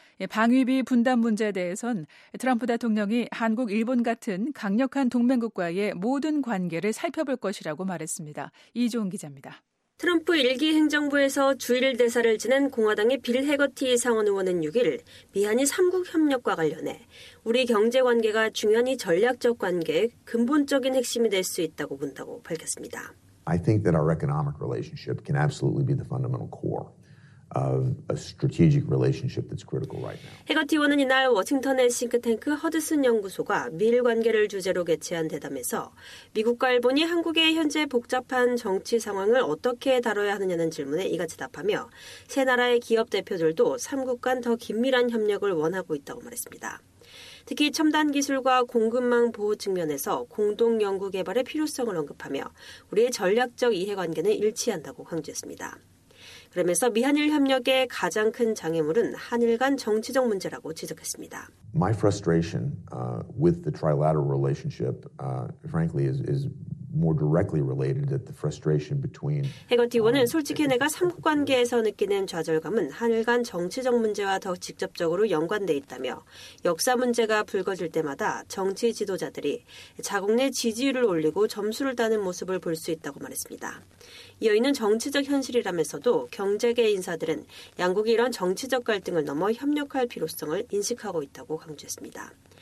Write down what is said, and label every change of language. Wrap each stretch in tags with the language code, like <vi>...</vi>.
<ko>방위비 분담 문제에 대해선 트럼프 대통령이 한국, 일본 같은 강력한 동맹국과의 모든 관계를 살펴볼 것이라고 말했습니다. 이종 기자입니다. 트럼프 1기 행정부에서 주일 대사를 지낸 공화당의 빌 해거티 상원 의원은 6일 미한일 3국 협력과 관련해 우리 경제관계가 중요한 이 전략적 관계의 근본적인 핵심이 될 수 있다고 본다고 밝혔습니다.</ko> <en>I think that our economic relationship can absolutely be the fundamental core of a strategic relationship that's critical right now.</en> <ko>해거티 의원은 이날 워싱턴의 싱크탱크 허드슨 연구소가 미일 관계를 주제로 개최한 대담에서 미국과 일본이 한국의 현재 복잡한 정치 상황을 어떻게 다뤄야 하느냐는 질문에 이같이 답하며 세 나라의 기업 대표들도 3국 간 더 긴밀한 협력을 원하고 있다고 말했습니다. 특히 첨단 기술과 공급망 보호 측면에서 공동 연구 개발의 필요성을 언급하며 우리의 전략적 이해관계는 일치한다고 강조했습니다. 그러면서 미한일 협력의 가장 큰 장애물은 한일 간 정치적 문제라고 지적했습니다.</ko> <en>My frustration with the trilateral relationship, frankly, is more directly related to the frustration between.</en> <ko>해거티 의원은 솔직히 내가 삼국 관계에서 느끼는 좌절감은 한일 간 정치적 문제와 더 직접적으로 연관돼 있다며 역사 문제가 불거질 때마다 정치 지도자들이 자국 내 지지율을 올리고 점수를 따는 모습을 볼 수 있다고 말했습니다. 이어있는 정치적 현실이라면서도 경제계 인사들은 양국이 이런 정치적 갈등을 넘어 협력할 필요성을 인식하고 있다고 강조했습니다.</ko>